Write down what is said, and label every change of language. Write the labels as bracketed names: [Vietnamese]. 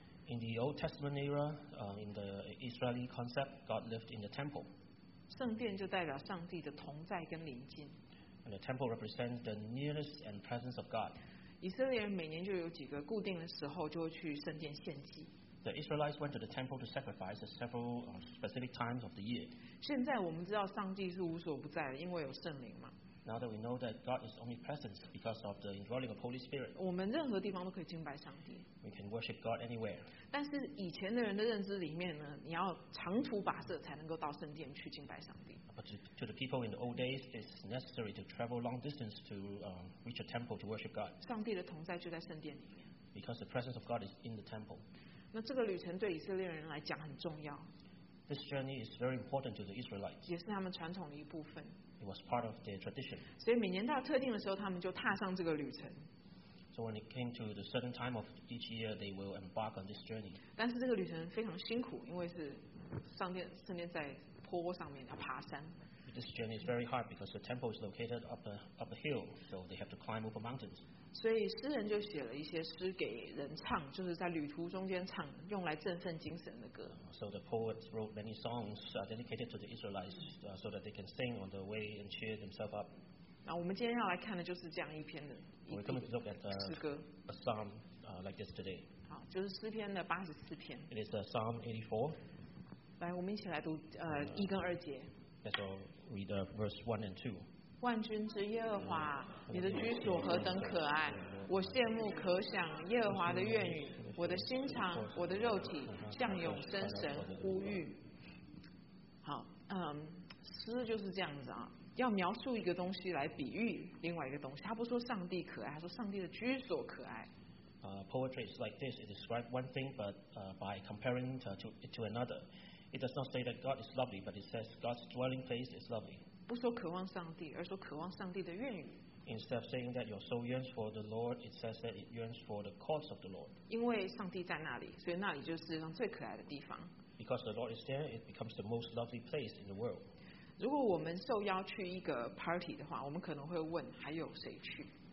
[English] In the Old Testament era, in the Israeli concept, God lived in the temple. [Chinese] 圣殿就代表上帝的同在跟临近。 [English] And the temple represents the nearness and presence of God. [Chinese] 以色列人每年就有几个固定的时候就会去圣殿献祭。 [English] The Israelites went to the temple to sacrifice at several specific times of the year. [Chinese] 现在我们知道上帝是无所不在的，因为有圣灵嘛。 [English] Now that we know that God is omnipresent because of the indwelling of Holy Spirit. [Chinese] 我们任何地方都可以敬拜上帝。 [English] We can worship God anywhere. [Chinese] 但是以前的人的认知里面呢，你要长途跋涉才能够到圣殿去敬拜上帝。 [English] But to the people in the old days, it's necessary to travel long distance to reach a temple to worship God. [Chinese] 上帝的同在就在圣殿里面。 [English] Because the presence of God is in the temple. [Chinese] 那这个旅程对以色列人来讲很重要。 [English] This journey is very important to the Israelites. [Chinese] 也是他们传统的一部分。 [English] It was part of their tradition. [Chinese] 所以每年到特定的时候，他们就踏上这个旅程。 [English] So when it came to the certain time of each year, they will embark on this journey. [Chinese] 但是这个旅程非常辛苦，因为是上殿在坡上面，要爬山。 [English] This journey is very hard because the temple is located up a hill, so they have to climb over mountains. [Chinese] 所以诗人就写了一些诗给人唱，就是在旅途中间唱，用来振奋精神的歌。 [English] So the poets wrote many songs dedicated to the Israelites, so that they can sing on the way and cheer themselves up. [Chinese] 那我们今天要来看的就是这样一篇的诗歌。 [English] We're going to look at a psalm like this today. [Chinese] 好，就是诗篇的八十四篇。 [English] It is Psalm 84. [Chinese] 来，我们一起来读一跟二节。 [English] Let's all read verse 1 and 2. [Chinese] 万军之耶和华，你的居所何等可爱！我羡慕可想耶和华的愿语，我的心肠，我的肉体向永生神呼吁。好，诗就是这样子啊，要描述一个东西来比喻另外一个东西。他不说上帝可爱，他说上帝的居所可爱。 [English] Poetry is like this. It describes one thing, but by comparing it to another. It does not say that God is lovely, but it says God's dwelling place is lovely. [Chinese] 不说渴望上帝，而说渴望上帝的愿语。 [English] Instead of saying that your soul yearns for the Lord, it says that it yearns for the courts of the Lord. [Chinese] 因为上帝在那里，所以那里就是世界上最可爱的地方。 [English] Because the Lord is there, it becomes the most lovely place in the world. [Chinese] 如果我们受邀去一个 party 的话，我们可能会问还有谁去。